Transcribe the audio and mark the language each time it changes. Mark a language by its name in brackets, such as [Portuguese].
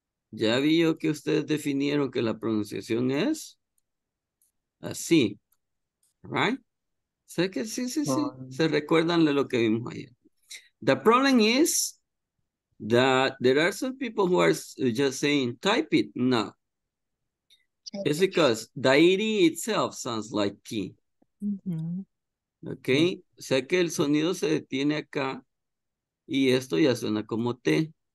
[Spanish] Ya vi yo que ustedes definieron que la pronunciación es así, right? ¿Sé que sí, sí, sí? ¿Se recuerdan de lo que vimos ayer? [English] The problem is that there are some people who are just saying type it. No. It's because the ED itself sounds like T. Mm-hmm. Okay. Mm-hmm. [Spanish] Sé que el sonido se detiene acá y esto ya suena como T.